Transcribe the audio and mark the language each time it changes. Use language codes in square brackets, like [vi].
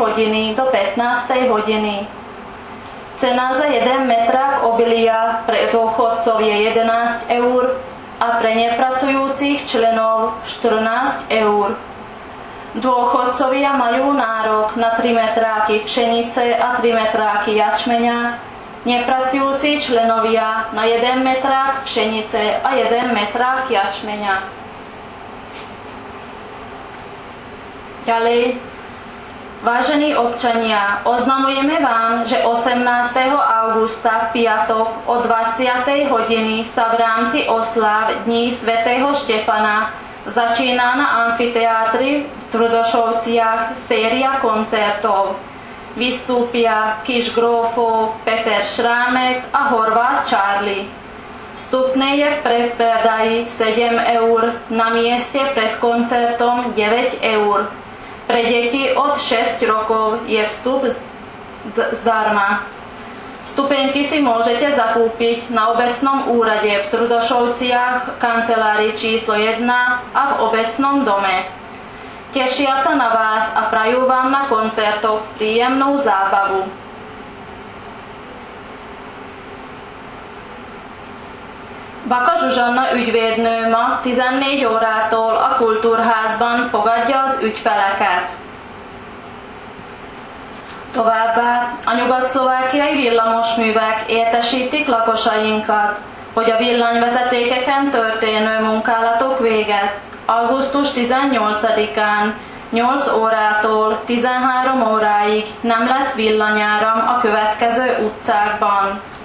[sk] hodiny do 15. hodiny. Cena za 1 metrák obilia pre dôchodcov je 11 eur, a pre nepracujúcich členov 14 eur. Dôchodcovia majú nárok na 3 metráky pšenice a 3 metráky jačmeňa, nepracujúci členovia na 1 metrák pšenice a 1 metrák jačmeňa. Ďalej, vážení občania, oznamujeme vám, že 18. augusta v piatok o 20. hodiny sa v rámci osláv Dní svätého Štefana začína na amfiteátri v Trudošovciach séria koncertov. Vystúpia Kiss Grofov, Peter Šrámek a Horváth Charlie. Vstupné je v predpredaji 7 eur, na mieste pred koncertom 9 eur. Pre deti od 6 rokov je vstup zdarma. Vstupenky si môžete zakúpiť na obecnom úrade v Trudošovciach, kancelárii číslo 1 a v obecnom dome. Tešia sa na vás a prajú vám na koncertoch príjemnú zábavu. [hu] Baka Zsuzsanna ügyvédnőm ma 14 órától a kultúrházban fogadja az ügyfeleket. Továbbá a nyugat-szlovákiai villamosművek értesítik lakosainkat, hogy a villanyvezetékeken történő munkálatok véget augusztus 18-án 8 órától 13 óráig nem lesz villanyáram a következő utcákban.